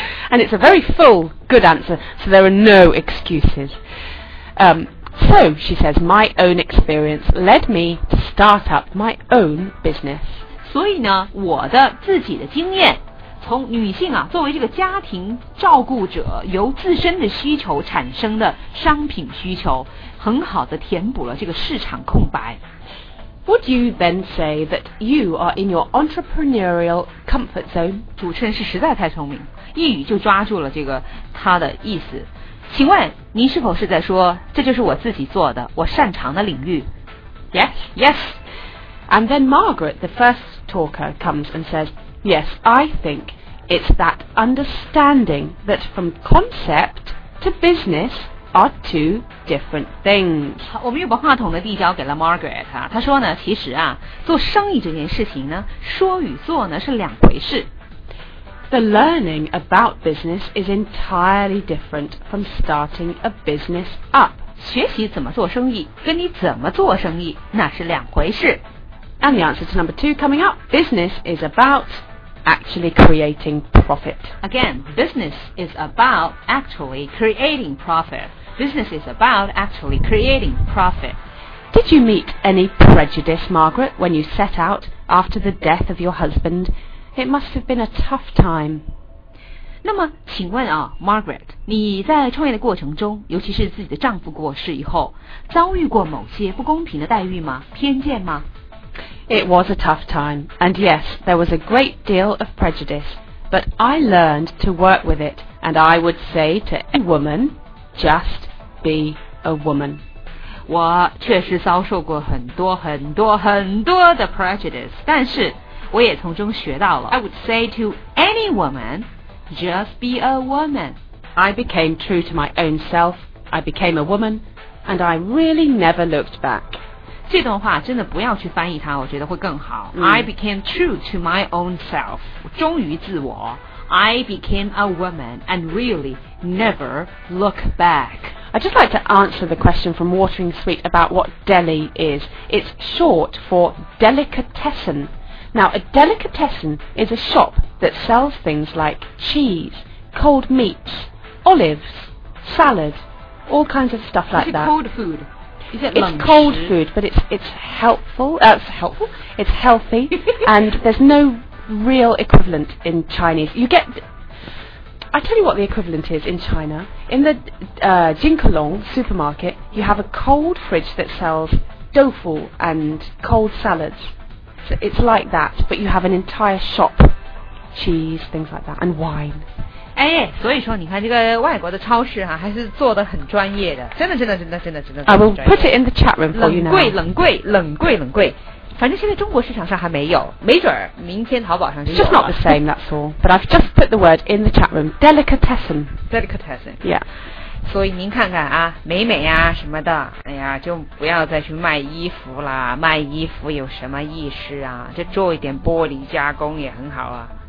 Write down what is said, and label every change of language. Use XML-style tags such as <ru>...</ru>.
<en>And it's a very full, good answer, so there are no excuses. So, she says, my own experience led me to start up my own business.</en> <zh>所以呢，我的自己的经验，从女性啊，作为这个家庭照顾者，由自身的需求产生的商品需求，很好地填补了这个市场空白。</zh> <en>Would you then say that you are in your entrepreneurial comfort zone?</en> <zh>主持人是实在太聪明，一语就抓住了这个他的意思。请问您是否是在说，这就是我自己做的，我擅长的领域？</zh> <en>Yes, yes. And then Margaret, the first talker, comes and says, Yes, I think it's that understanding that from concept to business... are two different things.</en> <zh>好，我们又把话筒的递交给了 Margaret 啊，她说呢，其实啊，做生意这件事情呢，说与做呢是两回事。</zh> <en>The learning about business is entirely different from starting a business up.</en> <zh>学习怎么做生意，跟你怎么做生意，那是两回事。</zh> <en>And the answer to number two coming up, business is aboutactually creating profit. Again, business is about actually creating profit. Business is about actually creating profit. Did you meet any prejudice, Margaret, when you set out after the death of your husband? It must have been a tough time.</en> <zh>那么请问啊 ,Margaret, 你在创业的过程中，尤其是自己的丈夫过世以后，遭遇过某些不公平的待遇吗？偏见吗？</zh> <en>It was a tough time, and yes, there was a great deal of prejudice, but I learned to work with it, and I would say to any woman, just be a woman.</en> <zh>我确实遭受过很多很多很多的 prejudice, 但是我也从中学到了。</zh> <en>I would say to any woman, just be a woman. I became true to my own self, I became a woman, and I really never looked back.</en> <zh>这段话真的不要去翻译它，我觉得会更好。</zh> <en>I became true to my own self.</en> <zh>我忠于自我。</zh> <en>I became a woman and really never look back. I'd just like to answer the question from Watering Sweet about what deli is. It's short for delicatessen. Now, a delicatessen is a shop that sells things like cheese, cold meats, olives, salad, all kinds of stuff like that. It's cold food. It's cold food, but it's helpful. That's helpful. It's healthy, and there's no real equivalent in Chinese. You get. I tell you what the equivalent is in China. In the Jinkelong supermarket, you have a cold fridge that sells tofu and cold salads. So it's like that, but you have an entire shop, cheese, things like that, and wine.</en> <zh>哎，所以说你看这个外国的超市哈、啊，还是做得很专业的，真的真的真的真的真的。</zh> <en>I will put it in the chat room for you now.</en> <zh>冷柜，反正现在中国市场上还没有，没准儿明天淘宝上就有了。</zh> <en>It's just not the same, that's all. But I've just put the word in the chat room. Delicatessen. Delicatessen. Yeah.</en> <zh>所以您看看啊，美美啊什么的，哎呀，就不要再去卖衣服啦，卖衣服有什么意思啊？这做一点玻璃加工也很好啊。</zh>